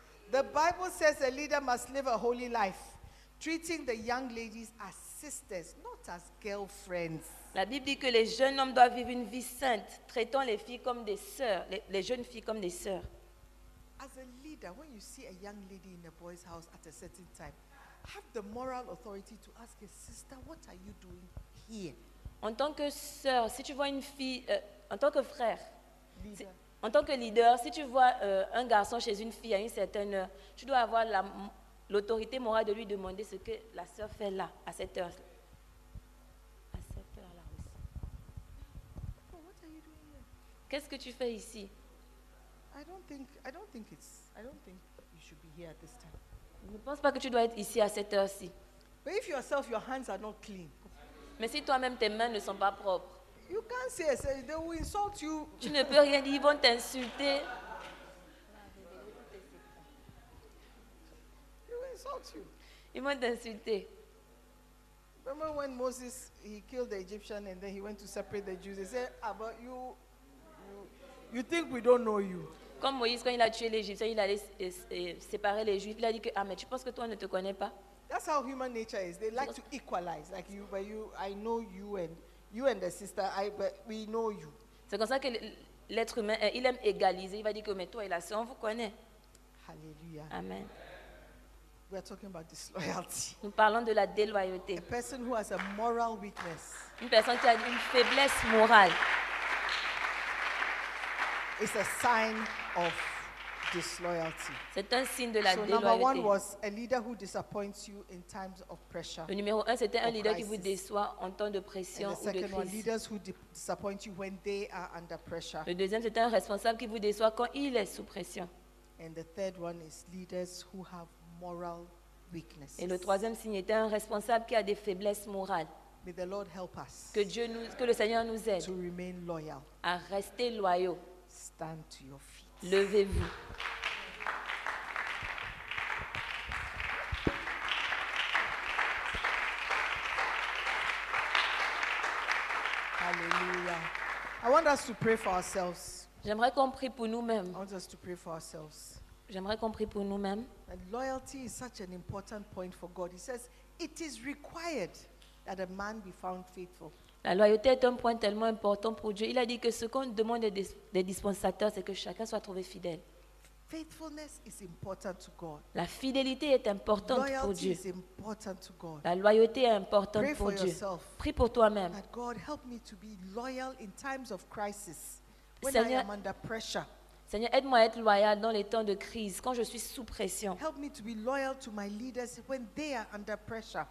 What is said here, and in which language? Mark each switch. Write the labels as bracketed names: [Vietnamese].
[English] The Bible says a leader must live a holy life, treating the young ladies as sisters, not as girlfriends. [French] La Bible dit que les jeunes hommes doivent vivre une vie sainte, traitant les filles comme des sœurs, les jeunes filles comme des sœurs. [English] As a leader, when you see a young lady in a boy's house at a certain time, have the moral authority to ask your sister, "What are you doing here?" [French] En tant que sœur, si tu vois une fille, en tant que frère, leader. Si, en tant que leader, si tu vois un garçon chez une fille à une certaine heure, tu dois avoir l'autorité morale de lui demander ce que la sœur fait là à cette heure. À cette heure là aussi. [English] What are you doing here? [French] Qu'est-ce que tu fais ici? [English] I don't think you should be here at this time. [French] Je ne pense pas que tu dois être ici à cette heure-ci. [English] But if yourself, your hands are not clean. [French] Mais si toi-même tes mains ne sont pas propres. [English] You can't say, so they will insult you. [French] Tu ne peux rien dire, ils vont t'insulter. [English] They will insult you. [French] Ils vont t'insulter. [English] Remember when Moses, he killed the Egyptian and then he went to separate the Jews. He said, about you, you think we don't know you. [French] Comme Moïse, quand il a tué l'Égyptien, il allait séparer les Juifs. Il a dit que, ah, mais tu penses que toi, on ne te connaît pas? [English] That's how human nature is. They like to equalize. Like you, but you, I know you and you and the sister, I, but we know you. [French] C'est comme ça que l'être humain, il aime égaliser. Il va dire que, mais toi et la sœur, on vous connaît. [English] Hallelujah. Amen. We are talking about disloyalty. [French] Nous parlons de la déloyauté. [English] A person who has a moral weakness. [French] Une personne qui a une faiblesse morale. [English] It's a sign of disloyalty. [French] C'est un signe de la [English] so [French] déloyauté. [English] Number one was a leader who disappoints you in times of pressure. [French] Le numéro un, c'était un leader qui vous déçoit en temps de pression ou de crise. [English] Leaders who disappoint you when they are under pressure. [French] Le deuxième, c'est un responsable qui vous déçoit quand il est sous pression. [English] And the third one is leaders who have moral weaknesses. [French] Et le troisième signe était un responsable qui a des faiblesses morales. [English] May the Lord help us. [French] Que Dieu nous, que le Seigneur nous aide. [English] To remain loyal. [French] À rester loyaux. [English] Stand to your feet. [French] Levez-vous. [English] Hallelujah. I want us to pray for ourselves. [French] J'aimerais qu'on prie pour nous-mêmes. [English] I want us to pray for ourselves. [French] J'aimerais qu'on prie pour nous-mêmes. [English] And loyalty is such an important point for God. He says it is required that a man be found faithful. [French] La loyauté est un point tellement important pour Dieu. Il a dit que ce qu'on demande des dispensateurs, c'est que chacun soit trouvé fidèle. [English] Faithfulness is important to God. [French] La fidélité est importante [English] Loyalty [French] pour Dieu. [English] Is important to God. [French] La loyauté est importante [English] Pray [French] pour [English] for [French] Dieu. [English] Yourself, [French] Prie pour toi-même. [English] That God help me to be loyal in times of crisis when Seigneur, I am under pressure. [French] Seigneur, aide-moi à être loyal dans les temps de crise, quand je suis sous pression. [English] Help me to be loyal to my leaders when they are under pressure.